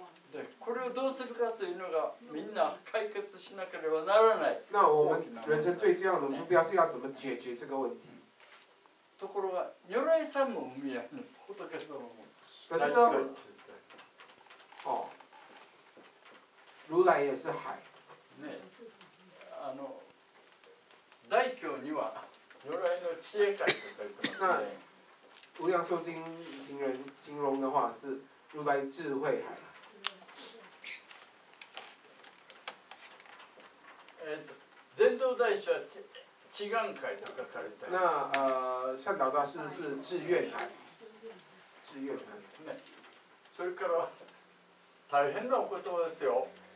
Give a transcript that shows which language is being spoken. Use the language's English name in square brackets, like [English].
[Chinese] 对， [Japanese] これをどうするかというのがみんな解決しなければならない。 [Chinese] 那我们人生最重要的目标是要怎么解决这个问题？ [Japanese] ところが如来さんも海や、仏様も。 [Chinese] 可是呢？哦，如来也是海。 [Japanese] ね。あの大教には如来の智慧海と書いてますね。 [Chinese] 那《无量寿经》形容的话是如来智慧海。 [Japanese] 禅宗大师は智願海と書かれてます。 [Chinese] 那善导大师是智愿海。智愿海。 [Japanese] ね。それから大変なお言葉ですよ。